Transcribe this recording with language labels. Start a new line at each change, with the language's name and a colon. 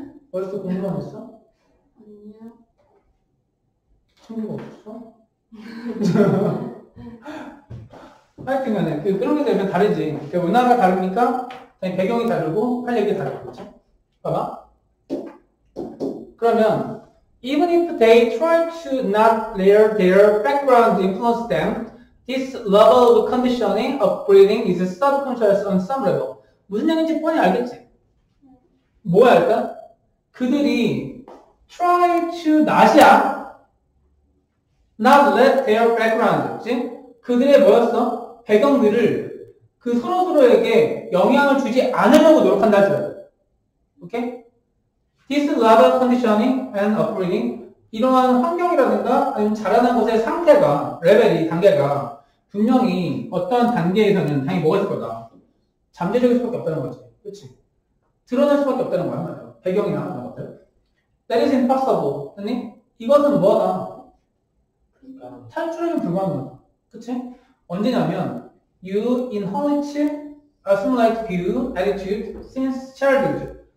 Korean: 어렸을 때 공부만 했어? 아니요. 친구가 없어? 하여튼 간에, 그런 게 되면 다르지. 그 문화가 다르니까, 배경이 다르고 할 얘기가 다르고 그렇죠? 봐봐. 그러면
English: even if they try to not let their background influence them, this level of conditioning of breathing is subconscious on some level.
Korean: 무슨 얘기인지 뻔히 알겠지? 뭐야 할까? 그들이
English: try to not
Korean: 이야.
English: not let their background,
Korean: 그렇지? 그들의 뭐였어? 배경들을 그 서로서로에게 영향을 주지 않으려고 노력한다 죠. 오케이?
English: This level conditioning and upbringing
Korean: 이러한 환경이라든가 아니면 자라는 곳의 상태가 레벨이 단계가 분명히 어떤 단계에서는 당연히 뭐가 있을 거다. 잠재적일 수밖에 없다는 거지. 그렇지? 드러날 수밖에 없다는 거야. 맞아요. 배경이나 그런 것들.
English: That is impossible.
Korean: 아니? 이것은 뭐다? 탈출하기 불가능한 거다. 그렇지? 언제냐면
English: You inherit a similar view, attitude, since childhood.